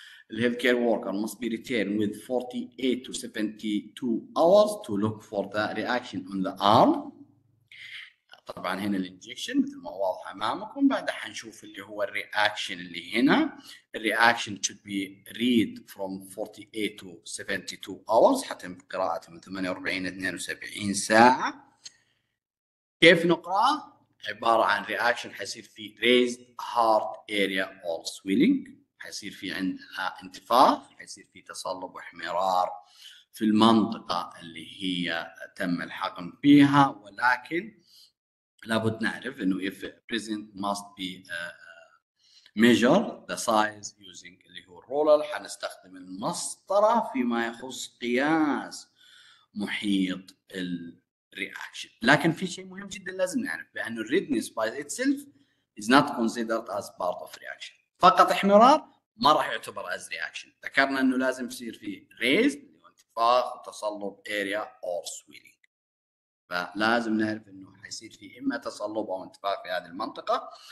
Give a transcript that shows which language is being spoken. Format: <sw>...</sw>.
<en>الهيلث care worker must be retained with 48 to 72 hours to look for the reaction on the arm.</en> <ar>طبعا هنا الانجكشن مثل ما واضح امامكم، بعدها حنشوف اللي هو الرياكشن اللي هنا.</ar> <en>الرياكشن should be read from 48 to 72 hours،</en> <ar>حتم قراءته من 48 الى 72 ساعة. كيف نقرأ؟ عبارة عن رياكشن حيصير في</ar> <en>raised heart area or swelling،</en> <ar>حيصير في عندها انتفاخ، حيصير في تصلب واحمرار في المنطقة اللي هي تم الحقن بها، ولكن لابد نعرف انه</ar> <en>if present must be measure the size using اللي</en> <ar>هو الرولر. حنستخدم المسطرة فيما يخص قياس محيط الرياكشن. لكن في شيء مهم جدا لازم نعرف بانه</ar> <en>redness by itself is not considered as part of reaction.</en> <ar>فقط احمرار ما راح يعتبر</ar> <en>as reaction.</en> <ar>ذكرنا انه لازم يصير في raised اللي هو انتفاخ وتصلب</ar> <en>area or swelling.</en> <ar>فلازم نعرف انه حيصير في اما تصلب او انتفاخ في هذه المنطقه.</ar>